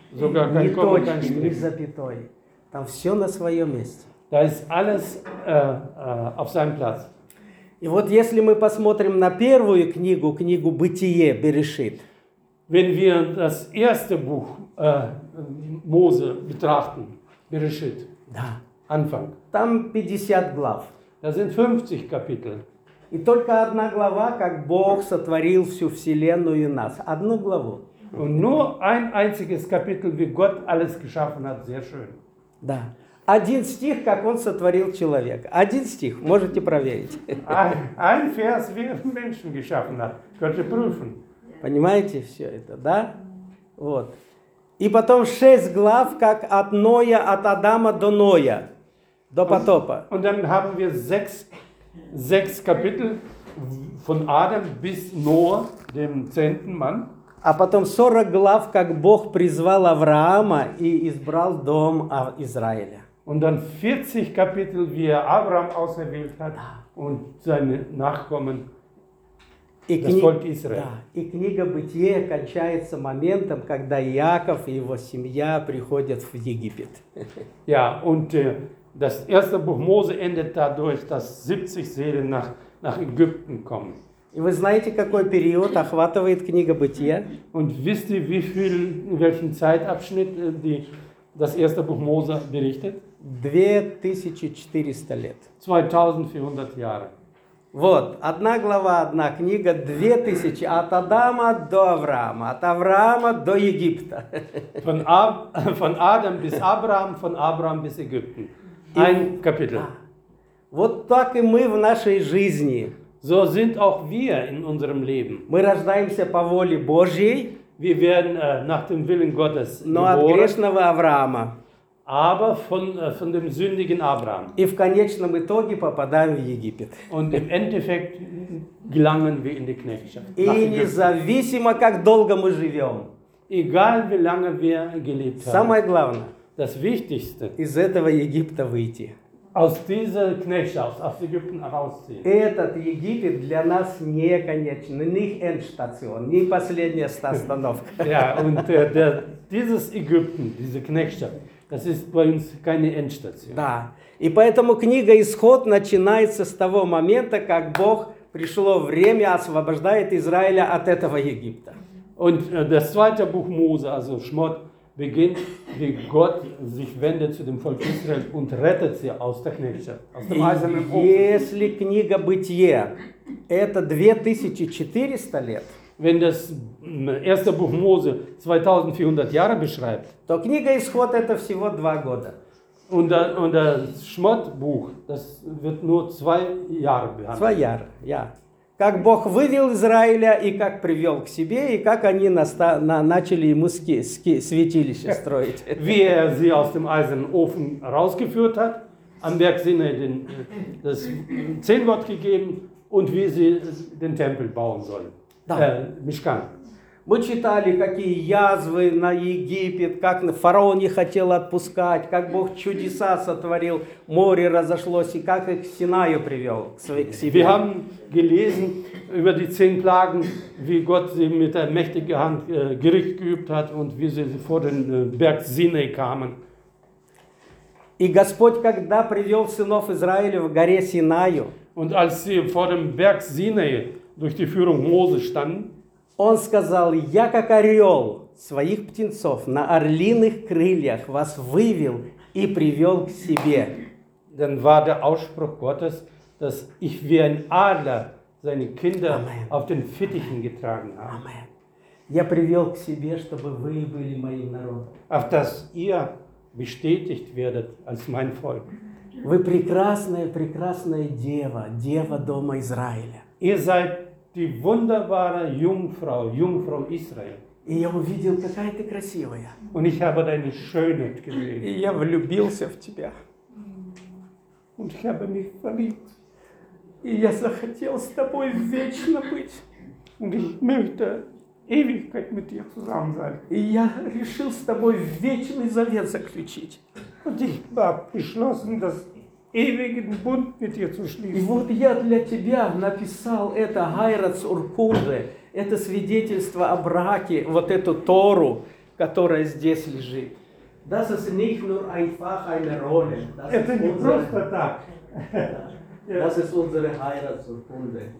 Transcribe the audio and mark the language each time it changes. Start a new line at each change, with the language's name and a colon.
German: Sogar kein Komma, kein Strich.
Russian: Запятой. Там все на своем месте.
German: Da ist alles auf seinem Platz.
Russian: И вот если мы посмотрим на первую книгу, книгу Бытие, Берешит.
German: Wenn wir das erste Buch Mose betrachten, Берешит. Da. Anfang.
Russian: Там 50 глав.
German: Da sind 50 Kapitel.
Russian: И только одна глава, как Бог сотворил всю вселенную и нас. Одну главу.
German: Und nur ein einziges Kapitel, wie Gott alles geschaffen hat, sehr schön.
Russian: Да. Один стих, как он сотворил человека. Один стих, можете проверить.
German: Ein Vers, wie er Menschen geschaffen hat. Könnt ihr prüfen.
Russian: Понимаете все это, да? Вот. И потом 6 глав, как от Ноя, от Адама до Ноя. До потопа.
German: Und dann haben wir sechs Kapitel von Adam bis Noah, dem 10. Mann.
Russian: А потом 40 глав, как Бог призвал Авраама и избрал дом Израиля.
German: Und dann 40 Kapitel, wie er Abraham auserwählt hat und seine Nachkommen, das Volk Israel.
Russian: Да. И книга Бытие кончается моментом, когда Яков и его семья приходят в Египет.
German: Ja, und das erste Buch Mose endet dadurch, dass 70 Seelen nach Ägypten kommen.
Russian: И вы знаете, какой период охватывает книга Бытия?
German: Und wisst ihr, welchen Zeitabschnitt das erste Buch Mose berichtet?
Russian: 2400 лет.
German: 2400 Jahre.
Russian: Вот, одна глава, одна книга, 2000 от Адама до Авраама, от Авраама до Египта.
German: Von Adam bis Abraham, von Abraham bis Ägypten. Ein Kapitel.
Russian: Вот так и мы в нашей жизни.
German: So sind auch wir in unserem Leben.
Russian: Мы рождаемся по воле Божьей.
German: Wir werden nach dem Willen Gottes
Russian: но
German: geboren.
Russian: Но от грешного Авраама.
German: Aber von dem sündigen Abraham.
Russian: И в конечном итоге попадаем в Египет.
German: Und im Endeffekt gelangen wir in die Knechtschaft.
Russian: И независимо, как долго мы живем.
German: Egal, wie lange wir gelebt haben.
Russian: Самое главное.
German: Das Wichtigste,
Russian: из этого Египта выйти.
German: Aus dieser Knechtschaft, aus Ägypten herausziehen.
Russian: Этот Египет для нас не конечный, не
German: Endstation,
Russian: не последняя остановка.
German: Ja, und dieses Ägypten, diese Knechtschaft, das ist bei uns keine Endstation.
Russian: Да. И поэтому книга Исход начинается с того момента, как Бог пришло время, освобождает Израиля от этого Египта.
German: Und das zweite Buch Mose, also Schmott, beginnt, wie Gott sich wendet zu dem Volk Israel und rettet sie aus der Knechtschaft, aus dem eisernen Ofen.
Russian: Если книга Бытие это 2400 лет,
German: wenn das erste Buch Mose 2400 Jahre beschreibt,
Russian: то книга Исход это всего 2 года.
German: Und das Schmott-Buch, das wird nur 2 Jahre behandelt. 2 Jahre, ja.
Russian: как Бог вывел Израиля и как привел к себе, и как они начали ему святилище строить.
German: Wie er sie aus dem Eisenofen rausgeführt hat, am Berg Sinai das Zehnwort gegeben und wie sie den Tempel bauen sollen.
Russian: Да. Мишкан. Мы читали, какие язвы на Египет, как фараон не хотел отпускать, как Бог чудеса сотворил, море разошлось, и как их к Синаю привел к себе.
German: Wir haben gelesen über die 10 Plagen, wie Gott sie mit der mächtigen Hand Gericht geübt hat und wie sie vor den Berg Sinai kamen.
Russian: И Господь, когда привел сынов Израиля в горе Синаю,
German: und als sie vor dem Berg Sinai durch die Führung Mose standen,
Russian: Он сказал, я как орел своих птенцов на орлиных крыльях вас вывел и привел к себе.
German: Dann war der Ausspruch Gottes, dass ich wie ein Adler seine Kinder Amen. Auf den Fittichen getragen habe. Amen.
Russian: Я привел к себе, чтобы вы были моим народом.
German: Auf dass ihr bestätigt werdet als mein Volk.
Russian: Вы прекрасная, прекрасная дева, дева дома Израиля.
German: Ihr seid die wunderbare Jungfrau, Jungfrau Israel.
Russian: И я увидел, какая ты красивая.
German: Und ich habe deine Schönheit gesehen.
Russian: И я влюбился в тебя.
German: Und ich habe mich verliebt.
Russian: И я захотел с тобой вечно быть.
German: Und ich möchte Ewigkeit mit dir zusammen sein.
Russian: И я решил с тобой вечный завет заключить.
German: Und ich war beschlossen, dass ewigen Bund mit dir zu schließen.
Russian: И вот я для тебя написал это
German: Гайрац Уркуже,
Russian: это свидетельство о браке, вот эту Тору, которая здесь лежит.
German: Das ist nicht nur einfach eine Rolle.
Russian: Это не просто так.
German: Das ist unsere Gайрац Уркуже.